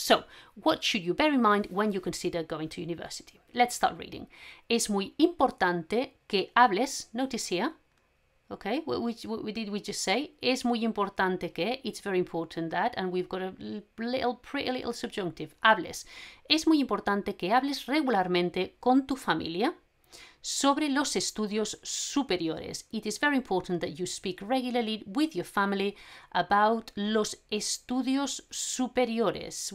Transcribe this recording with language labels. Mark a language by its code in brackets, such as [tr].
[en] So what should you bear in mind when you consider going to university? Let's start reading. Es muy importante que hables, notice here, okay, what did we just say? Es muy importante que, it's very important that, and we've got a little, pretty little subjunctive, hables. [es] Es muy importante que hables regularmente con tu familia sobre los estudios superiores. [en] It is very important that you speak regularly with your family about los estudios superiores.